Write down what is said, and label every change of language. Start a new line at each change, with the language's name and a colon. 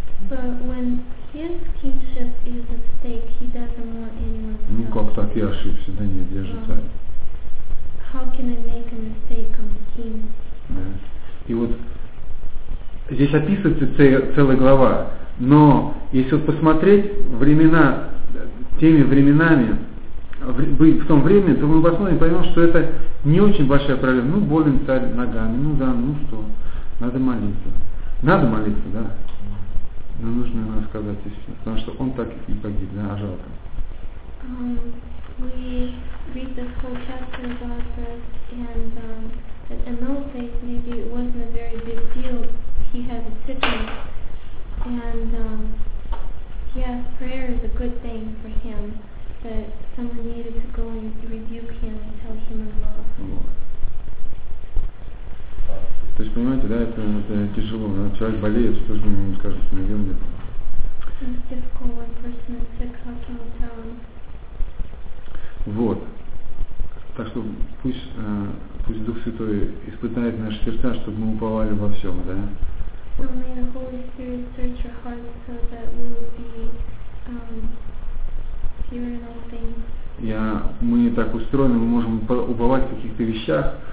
English: But when his kingship is at stake, he doesn't want anyone to.
Russian: Ну как так, я ошибся, да нет, я же царь.
English: How can I make a mistake on the king?
Russian: Да. И вот здесь описывается целая глава. Но если вот посмотреть времена, теми временами, в том времени, то мы посмотрим и поймем, что это не очень большая проблема. Ну, болен царь ногами, ну да, ну что, надо молиться. Надо молиться, да? Но нужно ему рассказать еще, потому что он так и погиб, да, а жалко.
English: We read this whole chapter about this, and at Emil's age, maybe it wasn't a very big deal. He had a sickness. And yes, prayer is a good thing for him, but someone needed to go and rebuke him and tell him in love.
Russian: То есть понимаете, да, это тяжело. Человек болеет, что же ему скажет, что найдем где-то.
English: It's difficult when a person is sick, how can we tell him?
Russian: Вот. Так что пусть Дух Святой испытает наши сердца, чтобы мы уповали во всем, да?
English: So may the Holy Spirit search your heart so that we will be pure in all things.
Russian: Мы не так устроены, мы можем уповать в каких-то вещах.